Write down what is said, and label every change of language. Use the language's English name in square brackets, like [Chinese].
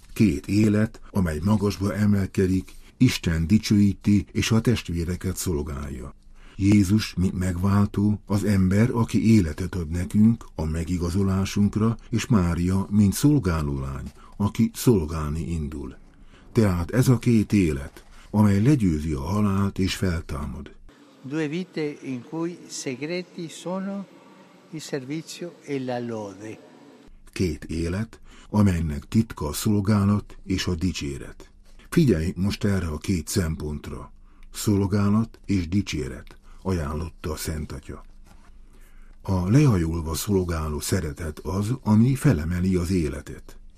[Hungarian] Két élet, amely magasba emelkedik, Isten dicsőíti és a testvéreket szolgálja. Jézus, mint megváltó, az ember, aki életet ad nekünk a megigazolásunkra, és Mária, mint szolgálólány, aki szolgálni indul. Tehát ez a két élet, amely legyőzi a halált és feltámad. [Italian] Due vite in cui segreti sono il servizio e la lode. [Hungarian] Két élet, amelynek titka a szolgálat és a dicséret. Figyeljünk most erre a két szempontra. Szolgálat és dicséret. Ajánlotta a Szent Atya. A lehajolva szolgáló szeretet az, ami felemeli az életet.